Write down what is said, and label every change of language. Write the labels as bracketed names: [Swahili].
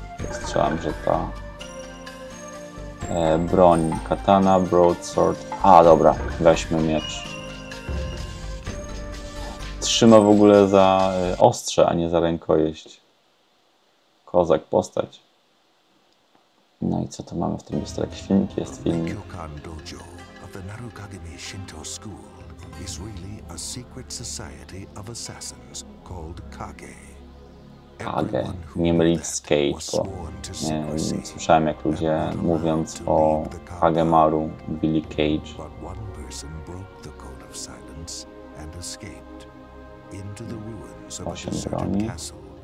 [Polish] Strzelam, że ta broń, katana, broadsword. A dobra, weźmy miecz. Trzyma w ogóle za ostrze, a nie za rękojeść. Kozak, postać. No i co to mamy w tym miejscu? Jakiś filmik jest, film. [English] Ryukan Dojo of the Narukagami Shinto School is really a secret society of assassins called Kage. [Polish] Kage, nie mylić z Kage, bo nie, słyszałem jak ludzie mówiąc o Kagemaru, Billy Cage. [English] But one person broke the code of silence and escaped into the ruins of the Sacred Castle.